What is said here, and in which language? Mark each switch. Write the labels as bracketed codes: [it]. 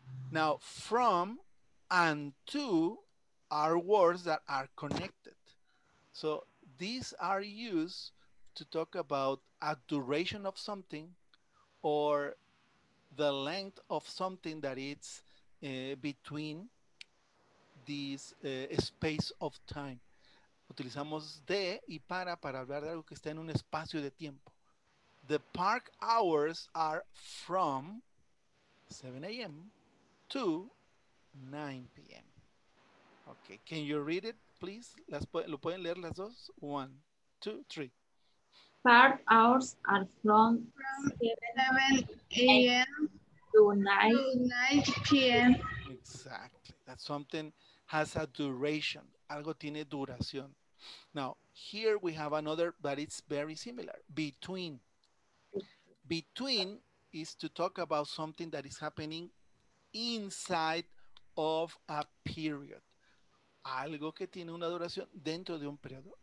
[en] Now, from and to are words that are connected. So, these are used to talk about a duration of something or the length of something that is between this space of time. [es] Utilizamos de y para hablar de algo que está en un espacio de tiempo. [en] The park hours are from 7 a.m. to 9 p.m. Okay, can you read it, please? [es] ¿Lo pueden leer las dos? [en] One, two, three. Park hours are from 7 a.m. to 9 p.m. Exactly. That something has a duration. [es] Algo tiene duración. [en] Now, here we have another, but it's very similar. Between. Between is to talk about something that is happening inside of a period. [es] Algo que tiene una duración dentro de un periodo.